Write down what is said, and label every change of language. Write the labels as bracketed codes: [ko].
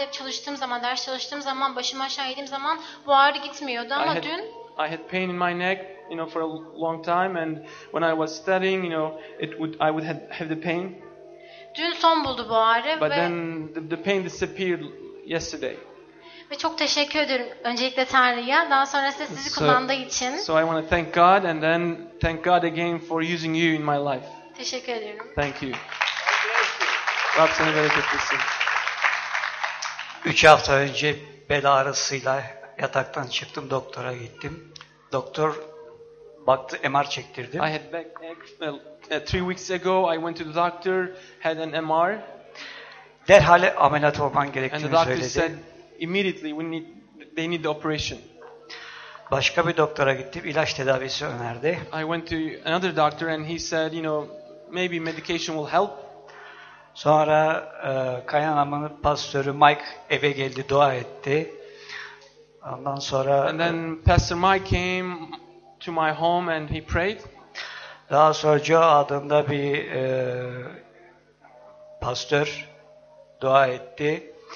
[tr] Hep çalıştığım zaman, ders çalıştığım zaman, başımı aşağı yediğim zaman bu ağrı gitmiyordu ama dün [en] I had pain in my neck, you know, for a long time and when I was studying, you know, I would have the pain. [tr] Dün son buldu bu ağrı. [en] But then the pain disappeared yesterday. [tr] Ve çok teşekkür ederim öncelikle Tanrı'ya, daha sonra size sizi kullandığı için. [en] So I want to thank God and then thank God again for using you in my life. [tr] Teşekkür ederim. [en] Thank you. [tr] Rab seni bereketlesin. 3 hafta önce bel ağrısıyla yataktan çıktım, doktora gittim. Doktor baktı, MR çektirdi. [en] I had back ache 3 weeks ago. I went to the doctor, had an MR. [tr] Derhal ameliyat olman gerektiğini söyledi. [en] And the doctor said immediately they need the operation. [tr] Başka bir doktora gittim, ilaç tedavisi önerdi. [en] I went to another doctor and he said, you know, maybe medication will help. [tr] Sonra kayınamanın pastörü Mike eve geldi, dua etti. Ondan sonra [en] and then Pastor Mike came to my home and he prayed. [tr] Daha sonra Joe adında bir pastör dua etti.